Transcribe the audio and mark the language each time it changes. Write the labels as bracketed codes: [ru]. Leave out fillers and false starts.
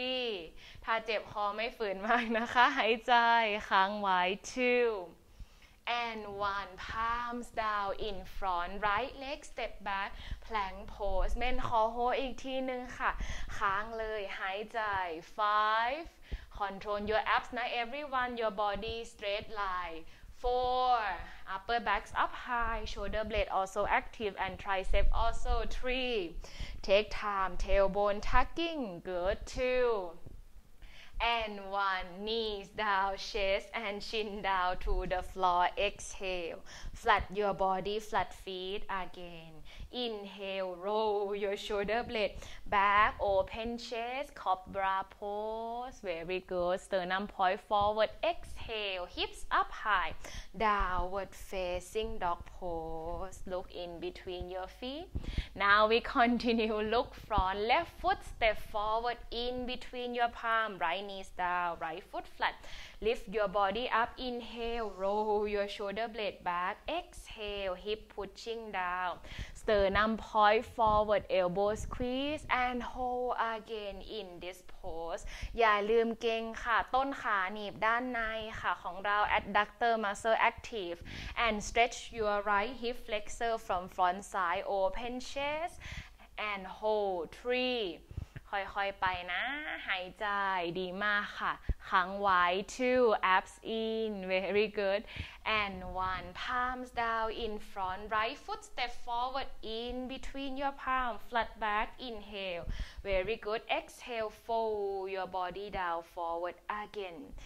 [en] 3 [th] ถ้าเจ็บคอไม่ฝืนมากนะคะหายใจค้างไว้ [en] 2And 1, palms down in front, right leg step back, plank pose. Men [th] ขอโฮอีกทีนึงค่ะ ค้างเลย หายใจ [en] 5, control your abs, not everyone, your body straight line. 4, upper backs up high, shoulder blade also active and tricep also. 3, take time, tailbone tucking, good. 2. And 1, knees down, chest and chin down to the floor. Exhale, flat your body, flat feet again. Inhale, roll your shoulder blade back, open chest, cobra pose. Very good. Sternum point forward. Exhale, hips up high. Downward facing dog pose. Look in between your feet. Now we continue. Look front. Left foot step forward in between your palm. Right knee. Down, right foot flat. Lift your body up. Inhale, roll your shoulder blade back. Exhale, hip pushing down. Sternum point forward, elbow squeeze and hold again in this pose. [th] อย่าลืมเกร็งค่ะต้นขาหนีบด้านในค่ะของเรา [en] adductor muscle active and stretch your right hip flexor from front side. Open chest and hold 3. [th] ค่อยๆไปนะหายใจดีมากค่ะค้างไว้ [en] 2 abs in very good and 1 palms down in front right foot step forward in between your palm flat back inhale very good exhale fold your body down forward again